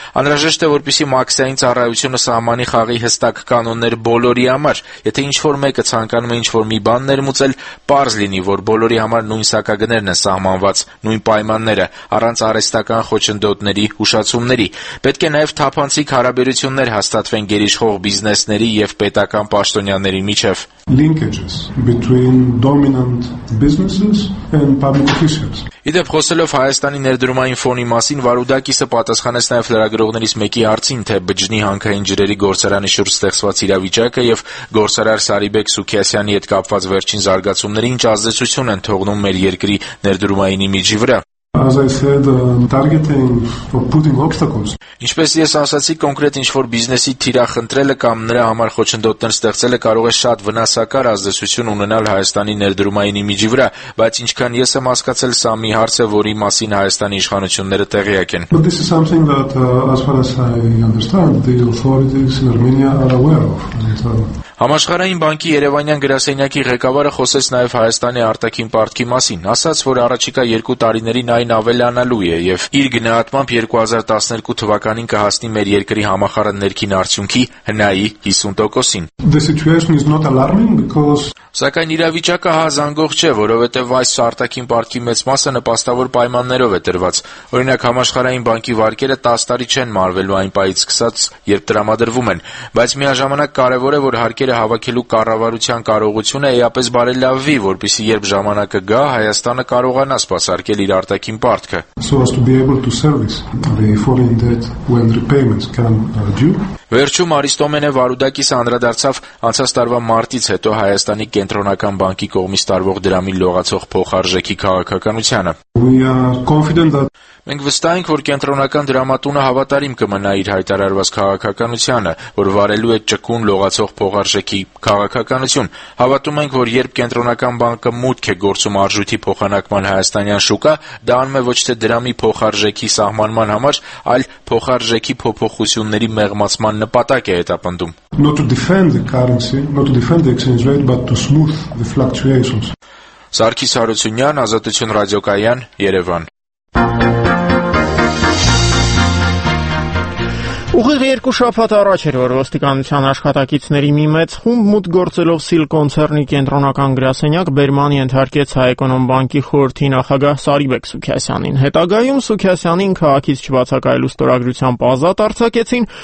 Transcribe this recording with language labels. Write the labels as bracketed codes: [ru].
[hy] Անհրաժեշտ է, որպեսի մաքսային ծառայությունը սահմանի խաղի հստակ կանոններ բոլորի համար, եթե ինչ-որ մեկը ցանկանում է ինչ-որ մի բան ներմուծել, պարզ լինի, որ բոլորի համար նույն սակագներն են սահմանված, նույն պայմանները, առանց արհեստական խոչընդոտների, ուշացումների։ Պետք է նաև թափանցիկ հարաբերություններ հաստատվեն գերիշխող բիզնեսների և պետական պաշտոնյաների միջև։ [en] Linkages between dominant businesses and public officials. [hy] Իդեպ, խոսելով Հայաստանի ներդրումային ֆոնի մասին, Վարուդակիսը պատասխանեց նաև լրագրողներից մեկի հարցին, թե բջնի հանքային ջրերի գործարանի շուրջ ստեղծված իրավիճակը և գործարար Սարիբեկ Սուքիասյանի հետ կապված վերջին զարգացումները ինչ ազդեցություն են թողնում մեր երկրի ներդրումային իմիջի վրա։ [en] As I said, targeting or putting obstacles. [hy] Ինչպես ես ասացի, կոնկրետ ինչ-որ բիզնեսի թիրախնդրելը կամ նրա համար խոչընդոտներ ստեղծելը կարող է շատ վնասակար ազդեցություն ունենալ Հայաստանի ներդրումային իմիջի վրա, բայց ինչքան ես եմ հասկացել, սա մի հարց է, որի մասին Հայաստանի իշխանությունները տեղյակ են. [en] But this is something that, as far as I understand, the authorities in Armenia are aware of. [hy] Համաշխարհային բանկի Երևանյան գրասենյակի ղեկավարը խոսեց նաև Հայաստանի արտաքին պարտքի մասին, ասաց, որ առաջիկա երկու տարիներին այն ավելանալու է և իր գնահատմամբ 2012 թվականին կհասնի մեր երկրի համախառը ներքին արդյունքի հնայի 50%-ին։ [en] The situation is not alarming because... [hy] Սակայն իրավիճակը հազանգող չէ, որովհետև այս արտաքին պարտքի մեծ մասը նպաստավոր պայմաններով է տրված։ Օրինակ, համաշխարհային բանկի վարկերը 10 տարի չեն մարվելու այն պահից սկսած, երբ տրամադրվում են, բայց միաժամանակ կարևոր է, որ հարկերը հավաքելու կառավարության կարողությունը էապես բարելավվի, որպեսզի երբ ժամանակը գա, Հայաստանը կարողանա սպասարկել իր արտաքին պարտքը։ Վերջում Արիստոմենը Վարուդակիսը անդրադարձավ անցած տարվա մարտից հետո Հայաստանի Կենտրոնական բանկի կողմից տարվող դրամի լողացող փոխարժեքի քաղաքականությանը։ Մենք վստահ ենք, որ կենտրոնական դրամատունը հավատարիմ կմնա իր հայտարարված քաղաքականությանը, որ վարելու է ճկուն լողացող փոխարժեքի քաղաքականություն։ Հավատում ենք, որ երբ կենտրոնական բանկը մուտք է գործում արժույթի փոխանակման հայաստանյան շուկա, դա անում է ոչ թե դրամի փոխարժեքի սահմանման համար, այլ փոխարժեքի փոփոխությունների մեղմացման նպատակ է հետապնդում։ [en] Not to defend the currency, not to defend the exchange rate, but to smooth the fluctuations. [hy] Սարգիս Հարությունյան, Ազատություն ռադիոկայան, Երևան։ Ուղիղ երկու շաբաթ առաջ էր, որ ոստիկանության աշխատակիցների մի մեծ խումբ մուտք գործելով Սիլկոնցերնի կենտրոնական գրասենյակ բերմանի ենթարկեց Հայեկոնոմ բանկի խորհրդի նախագահ Սարիբեկ Սուքիասյանին։ Հետագայում Սուքիասյանին քաղաքից չբացակայելու ստորագրությամբ ազատ արձակեցին,